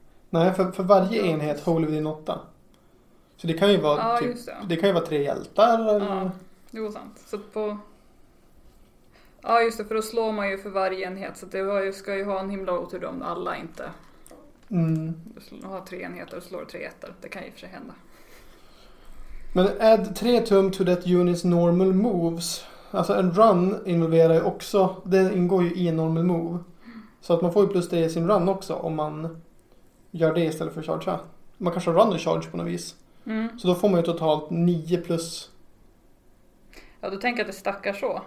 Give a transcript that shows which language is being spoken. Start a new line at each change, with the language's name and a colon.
Swedish: Nej, för varje enhet håller vi din 8. Så det kan ju vara det kan ju vara 3 hjältar. Ja, det var sant. Så på... Ja, just det. För då slår man ju för varje enhet. Så det var ju, ska ju ha en himla otur om alla inte har 3 enheter och slår 3 hjältar. Det kan ju för sig hända.
English: Men add 3 tum to that unit's normal moves.
Swedish: Alltså en run involverar ju också, det ingår ju i en normal move. Så att man får ju plus 3 i sin run också om man gör det istället för charge. Man kanske har run och charge på något vis. Mm. Så då får man ju totalt 9 plus. Ja, du tänker att det stackar så.